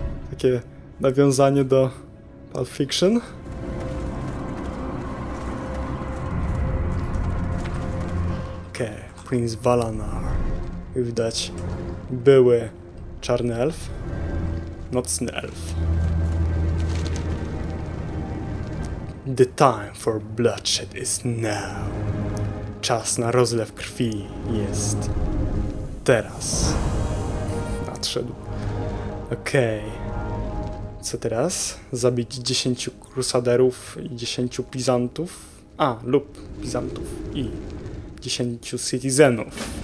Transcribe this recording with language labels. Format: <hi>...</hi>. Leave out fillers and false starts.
<pl>Takie nawiązanie do Pulp Fiction. Okej, okay, Prince Valanar. I widać, były czarny elf, nocny elf.</pl> <en>The time for bloodshed is now.</en> <pl>Czas na rozlew krwi jest teraz. Nadszedł. Okej. Okay. Co teraz? Zabić 10 krusaderów i 10 pizantów? A, lub pizantów i 10 citizenów.</pl>